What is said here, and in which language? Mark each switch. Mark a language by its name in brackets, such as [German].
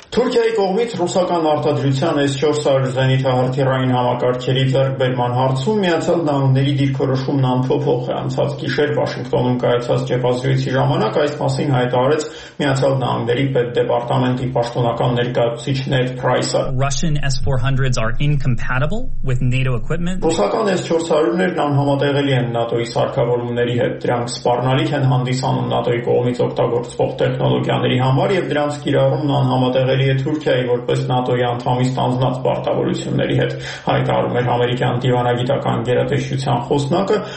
[Armenian] Թուրքիայի կողմից ռուսական արտադրության S-400 զենիտահրթիռային համակարգերի ձեռքբերման հարցում Միացյալ Նահանգների դիրքորոշումն անփոփոխ է անցած գիշեր Վաշինգտոնում կայացած ճեպազրույցի ժամանակ, այս մասին հայտարարեց Միացյալ Նահանգների պետ դեպարտամենտի պաշտոնական ներկայացուցիչ Ned Price-ը. [English] Russian S-400s are incompatible with NATO equipment. [Armenian] Ռուսական S-400-ներն անհամատեղելի են ՆԱՏՕ-ի սարքավորումների հետ, դրանք սպառնալիք են հանդիսանում ՆԱՏՕ-ի կողմից օգտագործվող տեխնոլոգիաների համար, և դրանց կիրառումն անհամատեղելի է Թուրքիայի որպես ՆԱՏՕ-ի անդամի ստանձնած պարտավորությունների հետ, հայտարարում էր ամերիկյան դիվանագիտական գերատեսչության խոսնակը,